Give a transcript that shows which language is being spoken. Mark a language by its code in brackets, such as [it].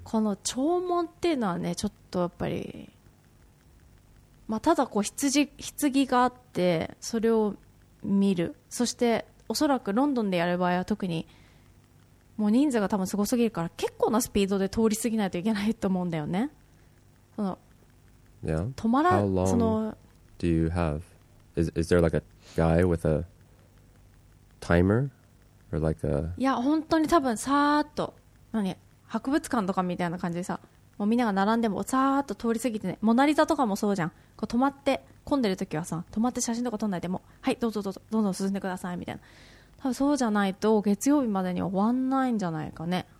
[ja] この弔問っていうのはね、ちょっとやっぱり、まあ、ただこう棺があってそれを見る、そしておそらくロンドンでやる場合は特にもう人数が多分すごすぎるから結構なスピードで通り過ぎないといけないと思うんだよね。その、 yeah. 止まらない。 [en] How long do you have? Is there like a guy with a timer? Or like a... [ja] いや本当に多分さーっと、何博物館とかみたいな感じでさ、もうみんなが並んでもさーっと通り過ぎてね、モナリザとかもそうじゃん、こう止まって混んでる時はさ止まって写真とか撮んないで、もうはいどうぞどうぞどんどん進んでくださいみたいな、多分そうじゃないと月曜日までには終わんないんじゃないかね。